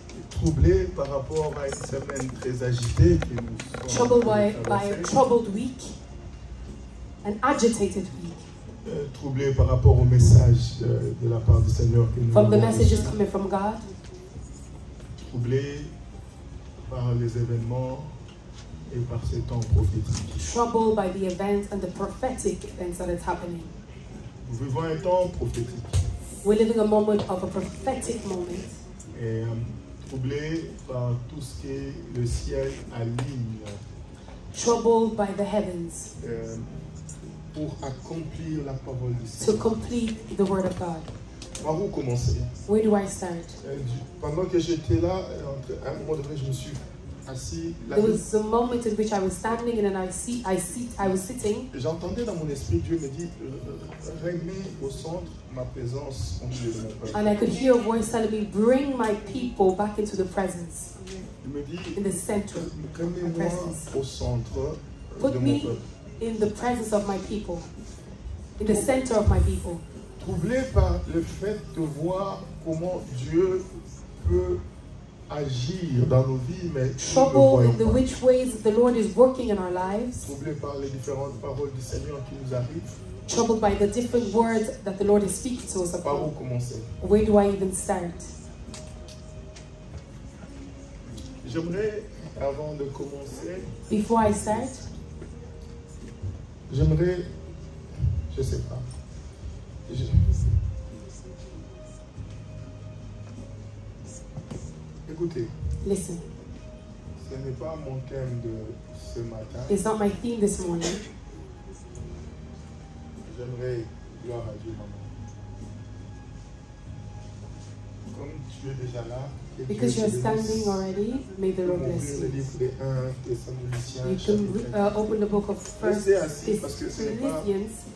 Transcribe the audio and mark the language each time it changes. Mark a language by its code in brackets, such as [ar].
[fr] Troublé par rapport à une semaine très agitée que nous sommes. [en] Troubled by a troubled week. An agitated week. [fr] Troublé par rapport au message de la part du Seigneur que nous [en] from the messages coming from God. [fr] Troublé par les événements et par ces temps prophétiques. [en] Troubled by the events and the prophetic events that are happening. [fr] Nous vivons un temps prophétique. [en] We're living a moment of a prophetic moment. [fr] Et troublé par tout ce que le ciel aligne. [en] Troubled by the heavens. [fr] Pour accomplir la parole du Seigneur. [en] To complete the word of God. [fr] Par où commencer? [en] Where do I start? [fr] Pendant que j'étais là, entre un moment donné, je me suis assis. [en] There was a moment in which I was standing and then I was sitting. [fr] J'entendais dans mon esprit Dieu me dit, remets au centre ma présence au milieu de mon peuple. [en] And I could hear a voice telling me, bring my people back into the presence. [fr] Il me dit, [en] in the center, [fr] remets-moi au centre de mon [en] peuple. Put me in the presence of my people, in the center of my people. [fr] Troublé par le fait de voir comment Dieu peut agir dans nos vies, mais troublé par [en] which ways the Lord is working in our lives. [fr] Troublé par les différentes paroles du Seigneur qui nous arrivent. [en] Troubled by the different words that the Lord is speaking to us. [fr] Par où commencer? [en] Where do I even start? [fr] J'aimerais, avant de commencer, [en] before I start, [fr] j'aimerais, je sais pas. Écoutez. [en] Listen. [fr] Ce n'est pas mon thème de ce matin. [en] It's not my theme this morning. [fr] J'aimerais gloire à Dieu, maman. Comme tu es déjà là. [en] Because [fr] Dieu [en] you're standing already, may the Lord bless you. [fr] Le livre 1 Thessaloniciens. [en] You can open the book of 1 Thessalonians.